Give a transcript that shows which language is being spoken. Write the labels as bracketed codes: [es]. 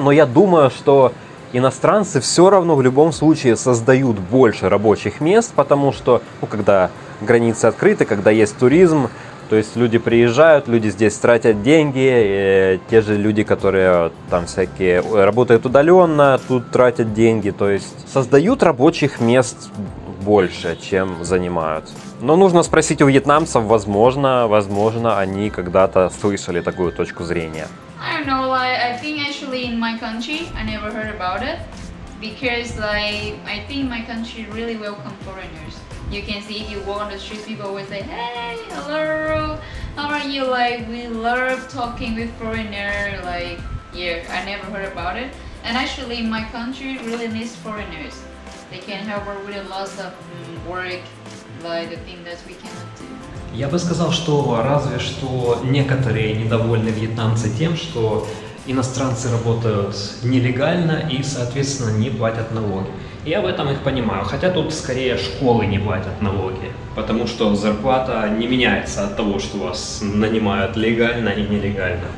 [ru] Но я думаю, что иностранцы все равно в любом случае создают больше рабочих мест, потому что, ну, когда границы открыты, когда есть туризм, то есть люди приезжают, люди здесь тратят деньги, и те же люди, которые там всякие работают удаленно, тут тратят деньги, то есть создают рабочих мест больше, чем занимают. Но нужно спросить у вьетнамцев, возможно, они когда-то слышали такую точку зрения. [en] I don't know, I think actually in my country, I never heard about it, because like, I think my country really welcome foreigners. You can see if you walk on the street, people will say, hey, hello, how are you? Like, we love talking with foreigners, like, yeah, I never heard about it. And actually, my country really needs foreigners. They can help us with a lot of work, like the thing that we cannot do. [ru] Я бы сказал, что разве что некоторые недовольны вьетнамцы тем, что иностранцы работают нелегально и, соответственно, не платят налоги. Я в этом их понимаю, хотя тут скорее школы не платят налоги, потому что зарплата не меняется от того, что вас нанимают легально и нелегально.